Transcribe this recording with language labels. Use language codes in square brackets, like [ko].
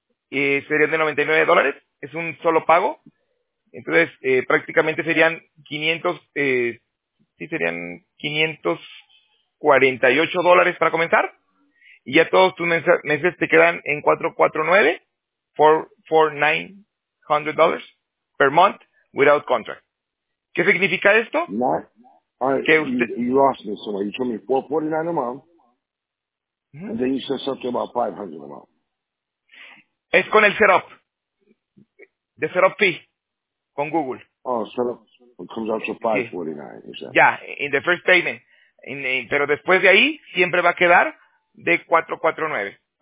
[es] Serían de $99, es un solo pago, entonces prácticamente serían 500, sí, serían $548 para comenzar, y ya todos tus meses te quedan en 449, $4,900 [en] per month without contract. [es] ¿Qué significa esto? No, que usted... [en] You lost me somewhere. You told me $449 a month, and then you said something about $500 a month. [es] Es con el setup, de setup fee, con Google. [en] Oh, setup, it comes out to $549, exactly. Yeah, in the first payment. [es] Pero después de ahí, siempre va a quedar de 449.